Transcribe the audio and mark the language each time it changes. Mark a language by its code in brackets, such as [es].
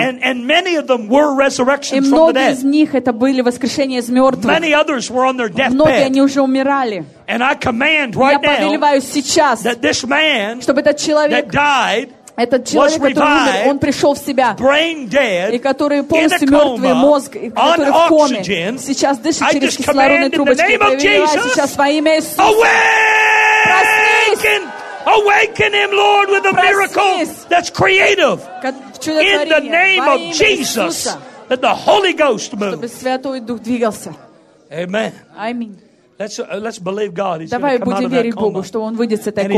[en] And many of them were resurrections from the dead. [ru] И многие из них это были воскрешения из мертвых. [en] Many others were on their deathbed. [ru] Многие они уже умирали. [en] And I command right now [ru] сейчас, [en] that this man [ru] чтобы этот человек, [en] that died [ru] Этот человек, который умер, он пришел в себя. [en] Brain dead, [ru] и который полностью мертвый, мозг, который в коме, [en] oxygen, [ru] сейчас дышит через кислородные трубочки. Я велела сейчас во имя Иисуса. [en] Awaken! Awaken him, Lord, with a miracle that's creative. In the name of Jesus, that the Holy Ghost moves. Amen. I mean. Let's believe God. He's [ru] Давай будем верить Богу, что он выйдет с этой комы.